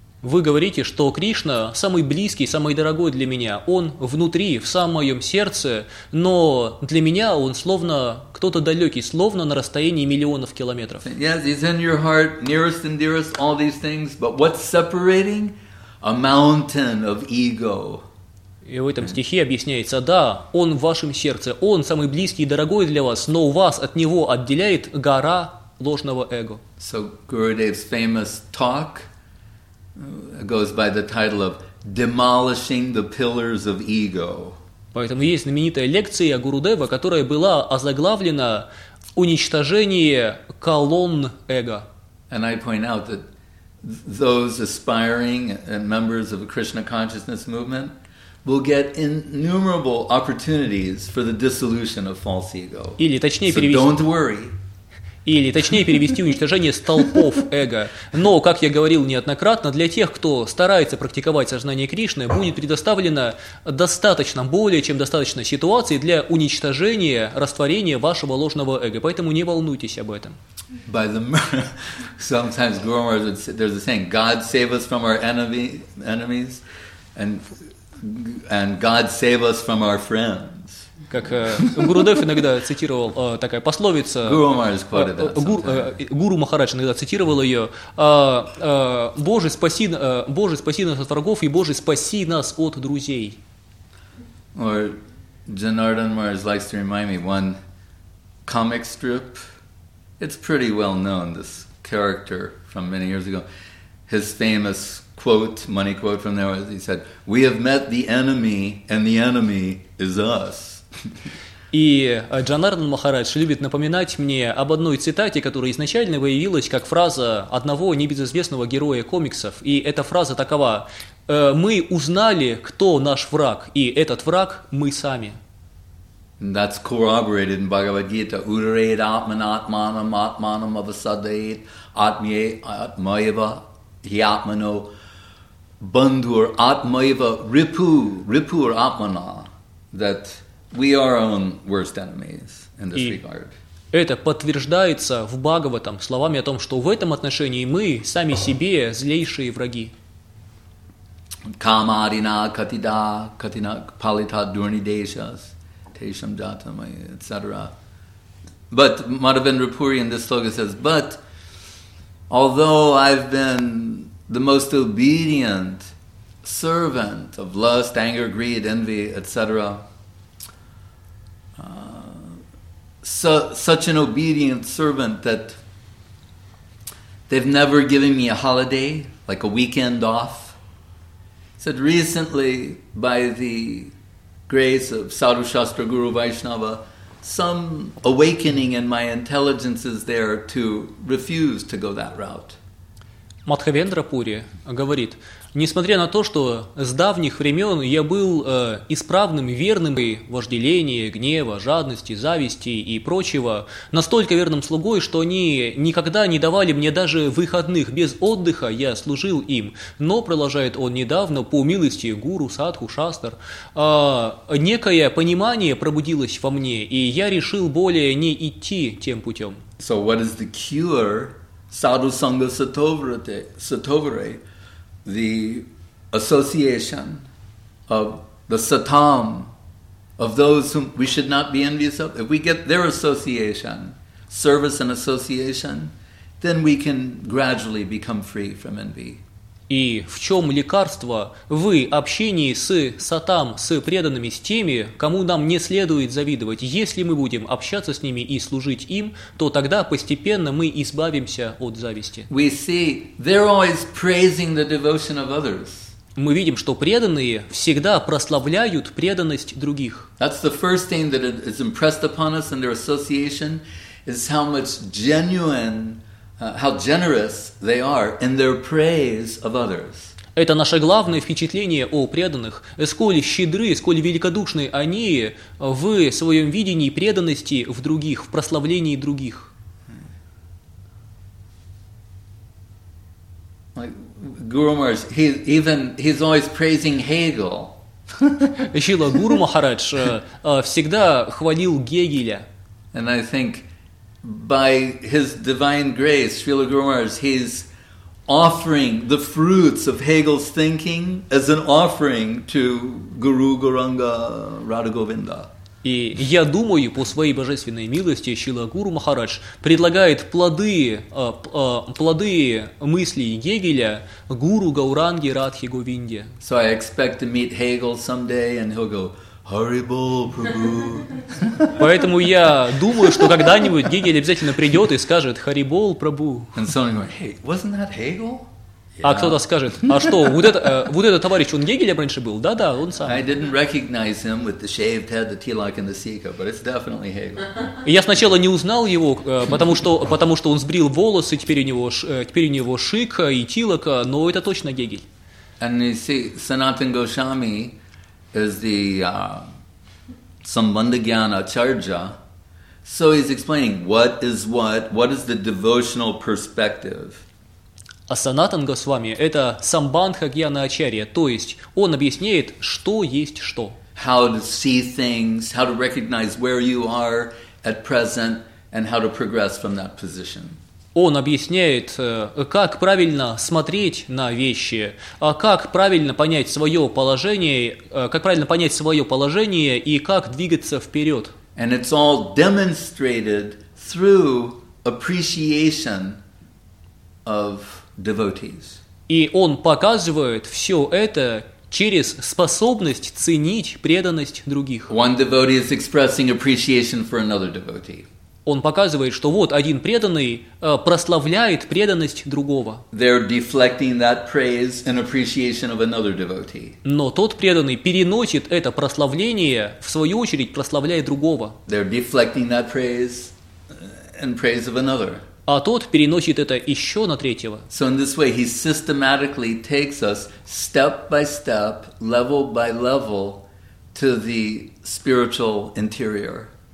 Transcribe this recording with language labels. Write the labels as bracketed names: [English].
[Russian] Вы говорите, что Кришна самый близкий, самый дорогой для меня. Он внутри, в самом моем сердце, но для меня он словно кто-то далекий, словно на расстоянии миллионов километров. [English] Yes, he's in your heart, nearest and dearest, all these things. But what's separating? A mountain of ego. [Russian] И в этом стихе объясняется, да, он в вашем сердце, он самый близкий и дорогой для вас, но вас от него отделяет гора ложного эго. [English] So Gurudev's famous talk goes by the title of Demolishing the Pillars of Ego. [Russian] Поэтому есть знаменитая лекция Гурудева, которая была озаглавлена «Уничтожение колонн эго». [English] And I point out that those aspiring and members of the Krishna consciousness movement will get innumerable opportunities for the dissolution of false ego. [Russian] Или точнее перевести. [English] So don't worry. [Russian] Или точнее перевести уничтожение столпов эго. Но, как я говорил неоднократно, для тех, кто старается практиковать сознание Кришны, будет предоставлено достаточно, более чем достаточно ситуаций для уничтожения, растворения вашего ложного эго. Поэтому не волнуйтесь об этом. [English] by the sometimes Guru Maharaj would say, there's a saying, God save us from our enemies, and God save us from our friends. [Russian] Как Гурудев иногда цитировал такая пословица. Гуру Махарадж иногда цитировал ее. Боже, спаси нас от врагов и Боже, спаси нас от друзей. [English] Or Janardan Maharaj likes to remind me one comic strip. It's pretty well known, this character from many years ago. His famous quote, money quote from there, he said, "We have met the enemy, and the enemy is us." [Russian] И Джанардан Махарадж любит напоминать мне об одной цитате, которая изначально появилась как фраза одного небезызвестного героя комиксов. И эта фраза такова: «Мы узнали, кто наш враг, и этот враг – мы сами». [English] That's corroborated in Bhagavad-gita. [Sanskrit] Udareet atmanatmanam atmanam avasadeet atmye atmayeva hiatmano bandhur atmayeva ripu ripur atmana. [English] That we are our own worst enemies in this regard. [Russian] Это подтверждается в Бхагаватам словами о том, что в этом отношении мы сами себе злейшие враги. [Sanskrit] Камадина катида катина палита дурнидешас тешам джатамай, etc. [English] But Madhavendra Puri in this sloka says, but although I've been the most obedient servant of lust, anger, greed, envy, etc., such an obedient servant that they've never given me a holiday, like a weekend off. He said, recently, by the grace of Sadhu Shastra Guru Vaishnava, some awakening in my intelligence is there to refuse to go that route. [Russian] Мадхавендра Пури говорит, несмотря на то, что с давних времен я был исправным, верным и вожделение, гнева, жадности, зависти и прочего, настолько верным слугой, что они никогда не давали мне даже выходных без отдыха, я служил им. Но, продолжает он недавно, по милости гуру, садху, шастр, некое понимание пробудилось во мне, и я решил более не идти тем путем. [English] So what is the cure? [Sanskrit] Sadhu Sangha Satovare, [English] the association of the Satam, of those whom we should not be envious of. If we get their association, service and association, then we can gradually become free from envy. [Russian] И в чем лекарство в общении с сатам, с преданными, с теми, кому нам не следует завидовать? Если мы будем общаться с ними и служить им, то тогда постепенно мы избавимся от зависти. [English] We see they're always praising the devotion of others. [Russian] Мы видим, что преданные всегда прославляют преданность других. [English] That's the first thing that is impressed upon us in their association is how much genuine how generous they are in their praise of others. [Russian] Это наше главное впечатление о преданных. Сколь щедры, сколь великодушны они в своем видении преданности в других, в прославлении других. [English] Like Guru Maharaj, he's always praising Hegel. [Russian] Шрила Гуру Махарадж всегда хвалил Гегеля. [English] And I think by his divine grace, Srila Guru Maharaj, he's offering the fruits of Hegel's thinking as an offering to Guru Gauranga Radha Govinda. [Russian] И я думаю, по своей божественной милости, Шрила Гуру Махарадж предлагает плоды мыслей Гегеля Гуру Гауранге Радхе Говинде. [English] So I expect to meet Hegel someday, and he'll go, Haribol Prabhu. [Russian] Поэтому я думаю, что когда-нибудь Гегель обязательно придет и скажет Харибол Прабу. [English] And someone goes, hey, wasn't that Hegel? [Russian] А кто-то скажет, а что, вот этот товарищ, он Гегеля раньше был? Да-да, он сам. [English] I didn't recognize him with the shaved head, the tilak and the sika, but it's definitely Hegel. [Russian] Я сначала не узнал его, потому что он сбрил волосы, теперь у него шика и тилак, но это точно Гегель. [English] And you see, Sanatan Goswami is the Sambandhagyana Charja. So he's explaining what is what, what is the devotional perspective. [Russian] А Санатан Госвами – это Самбандхагьяна Ачарья, то есть он объясняет, что есть что. [English] How to see things, how to recognize where you are at present, and how to progress from that position. [Russian] Он объясняет, как правильно смотреть на вещи, как правильно понять свое положение, как правильно понять свое положение и как двигаться вперед. [English] And it's all demonstrated through appreciation of devotees. [Russian] И он показывает все это через способность ценить преданность других. [English] One devotee is expressing appreciation for another devotee. [Russian] Он показывает, что вот один преданный прославляет преданность другого. [English] They're deflecting that praise and appreciation of another devotee. [Russian] Но тот преданный переносит это прославление, в свою очередь прославляя другого. [English] They're deflecting that praise and praise of another. [Russian] А тот переносит это еще на третьего. [English] So in this way he systematically takes us step by step, level by level, to the spiritual interior.